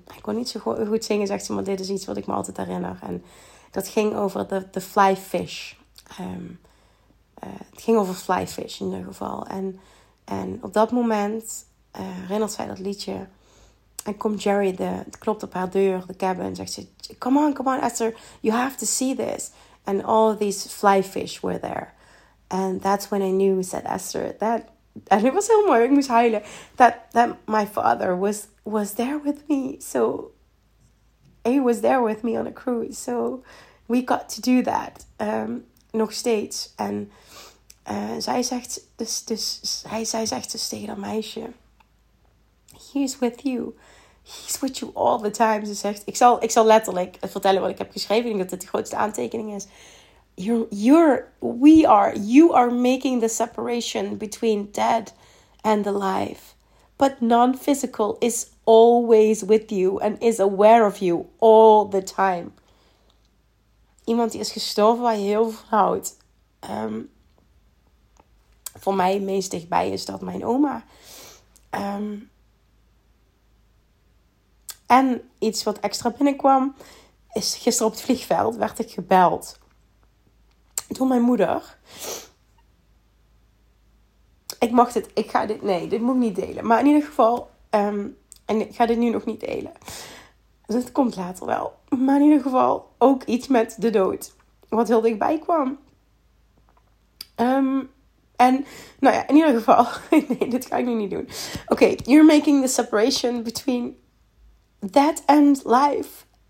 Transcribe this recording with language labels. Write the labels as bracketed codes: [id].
[nl] Hij kon niet zo goed zingen, zegt ze, maar dit is iets wat ik me altijd herinner. En dat ging over de fly fish. Het ging over fly fish in ieder geval. En op dat moment herinnert zij dat liedje. En komt Jerry, het klopt op haar deur, de cabin. En zegt ze, [en] come on Esther, you have to see this. And all of these fly fish were there. And that's when I knew, said Esther, that... [nl] En het was heel mooi, ik moest huilen. [en] That my father was there with me. So, he was there with me on a cruise. So, we got to do that. [nl] Nog steeds. En zij zegt, zij zegt dus tegen dat meisje, [en] he's with you. He's with you all the time. [nl] Ze zegt, ik zal letterlijk vertellen wat ik heb geschreven. Ik denk dat dit de grootste aantekening is. [en] You are making the separation between dead and alive. But non-physical is always with you and is aware of you all the time. [nl] Iemand die is gestorven waar je heel van houdt. Voor mij meest dichtbij is dat mijn oma. En iets wat extra binnenkwam is gisteren op het vliegveld werd ik gebeld. Door mijn moeder. Dit moet ik niet delen. Maar in ieder geval, en ik ga dit nu nog niet delen. Dus het komt later wel. Maar in ieder geval, ook iets met de dood. Wat heel dichtbij kwam. In ieder geval. Nee, dit ga ik nu niet doen. [en] Okay, you're making the separation between that and life.